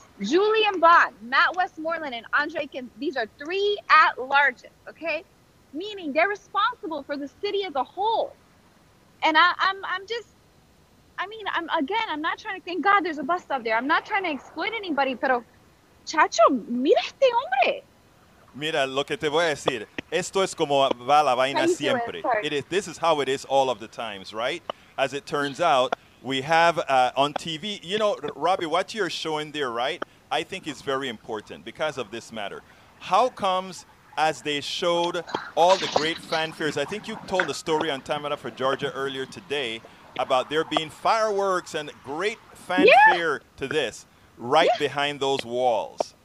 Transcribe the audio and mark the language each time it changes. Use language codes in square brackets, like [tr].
[en] Julian Bond, Matt Westmoreland, and Andre Kim. These are three at-larges, okay? Meaning they're responsible for the city as a whole. And I'm not trying to, thank God there's a bus stop there. I'm not trying to exploit anybody, [es] pero, chacho, mira este hombre. Mira, lo que te voy a decir. Esto es como va la vaina siempre. [en] This is how it is all of the times, right? As it turns out, we have on TV, you know, Robby, what you're showing there, right, I think is very important because of this matter. How comes... as they showed all the great fanfares. I think you told a story on Tamara for Georgia earlier today about there being fireworks and great fanfare to this right behind those walls.